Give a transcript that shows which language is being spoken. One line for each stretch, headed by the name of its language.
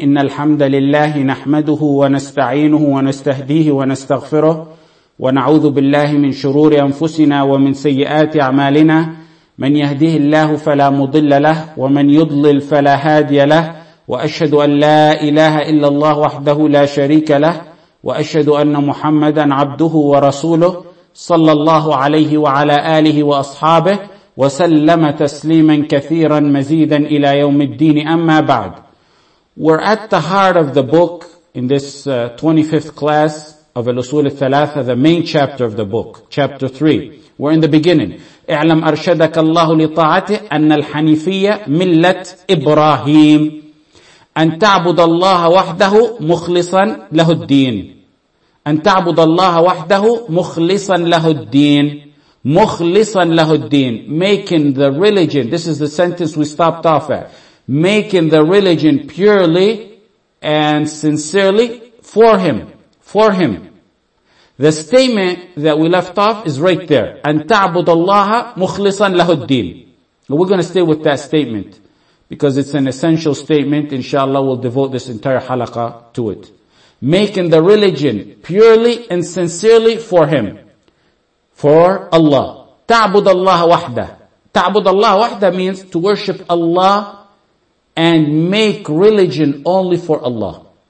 Arabic: إن الحمد لله نحمده ونستعينه ونستهديه ونستغفره ونعوذ بالله من شرور أنفسنا ومن سيئات أعمالنا، من يهده الله فلا مضل له، ومن يضلل فلا هادي له، وأشهد أن لا إله إلا الله وحده لا شريك له، وأشهد أن محمدا عبده ورسوله، صلى الله عليه وعلى آله وأصحابه وسلم تسليما كثيرا مزيدا إلى يوم الدين. أما بعد،
English: we're at the heart of the book in this 25th class of الأصول الثلاثة, the main chapter of the book, chapter 3. We're in the beginning.
Arabic: اعلم أرشدك الله لطاعته أن الحنيفية ملة إبراهيم، أن تعبد الله وحده مخلصا له الدين، أن تعبد الله وحده مخلصا له الدين، مخلصا له الدين.
English: Making the religion, this is the sentence we stopped off at, making the religion purely and sincerely for him, for him. The statement that we left off is right there.
Arabic: أن تعبد الله مخلصا له الدين.
English: We're going to stay with that statement because it's an essential statement. Inshallah, we'll devote this entire halaqa to it. Making the religion purely and sincerely for him, for Allah.
Arabic: تعبد الله وحده. تعبد الله وحده
English: means to worship Allah and make religion only for Allah.